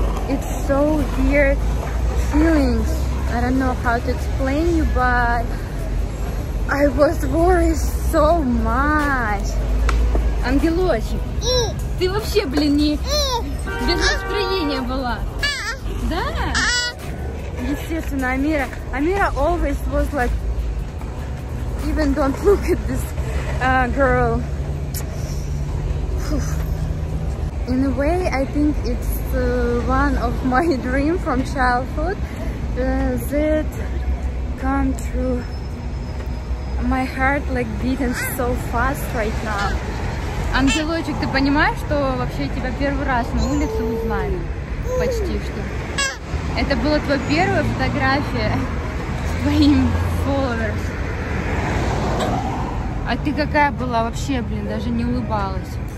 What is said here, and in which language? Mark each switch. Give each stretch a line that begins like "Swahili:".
English: It's so weird feelings. I don't know how to explain you, but I was worried so much.
Russian: Ангелочек, ты вообще, блин, не без настроения была. Да? Естественно, Амира.
English: Амира always was like, even don't look at this girl. In a way, I think it's one of my dream from childhood that come true. My heart like beating so fast right now.
Russian: Ангелочек, ты понимаешь, что вообще тебя первый раз на улице узнали? Почти что. Это была твоя первая фотография с твоим followers. А ты какая была вообще, блин, даже не улыбалась.